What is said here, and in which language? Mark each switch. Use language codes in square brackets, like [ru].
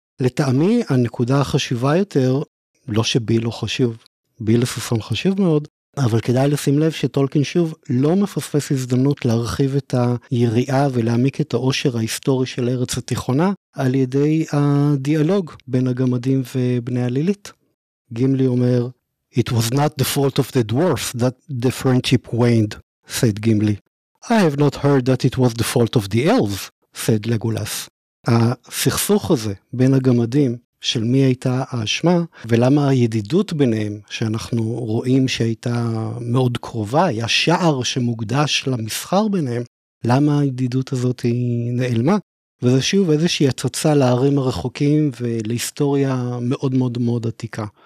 [he] לטעמי, הנקודה החשובה יותר, לא שביל לא חשוב, ביל הסוסון חשוב מאוד, אבל כדאי לשים לב שטולקין שוב לא מפספס הזדמנות להרחיב את היריעה ולהעמיק את העושר ההיסטורי של ארץ התיכונה, על ידי הדיאלוג בין הגמדים ובני הלילית. גימלי אומר, [en] It was not the fault of the dwarf that the friendship waned, said Gimli. I have not heard that it was the fault of the elves, said Legolas. [he] הסכסוך הזה בין הגמדים של מי הייתה האשמה, ולמה הידידות ביניהם, שאנחנו רואים שהייתה מאוד קרובה, היה שער שמוקדש למסחר ביניהם, למה הידידות הזאת היא נעלמה? וזה שוב איזושהי הצצה להרים הרחוקים ולהיסטוריה מאוד מאוד מאוד עתיקה.